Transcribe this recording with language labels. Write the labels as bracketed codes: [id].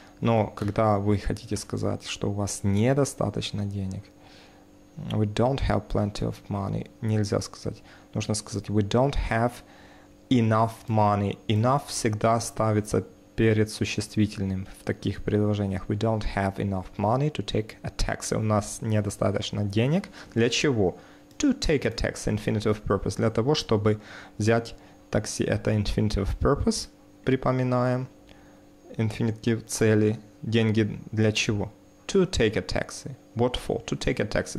[ru] Но когда вы хотите сказать, что у вас недостаточно денег, [en] we don't have plenty of money, [ru] нельзя сказать. Нужно сказать [en] we don't have enough money. [ru] Enough всегда ставится перед существительным в таких предложениях. [en] We don't have enough money to take a taxi. [ru] У нас недостаточно денег. Для чего? [en] To take a taxi, infinitive purpose. [ru] Для того, чтобы взять такси. Это infinitive purpose. Припоминаем. Infinitive цели. Деньги для чего? [en] To take a taxi. What for? To take a taxi.